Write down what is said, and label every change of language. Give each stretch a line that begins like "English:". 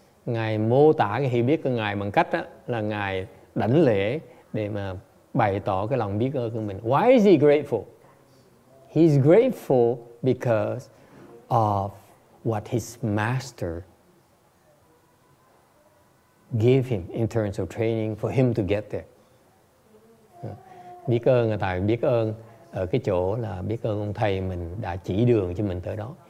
Vietnamese: Ngài mô tả cái hiểu biết của Ngài bằng cách đó, là Ngài đảnh lễ để mà bày tỏ cái lòng biết ơn của mình.
English: Why is he grateful? He's grateful because of what his master gave him in terms of training for him to get there.
Vietnamese: Biết ơn là tại biết ơn ở cái chỗ là biết ơn ông thầy mình đã chỉ đường cho mình tới đó.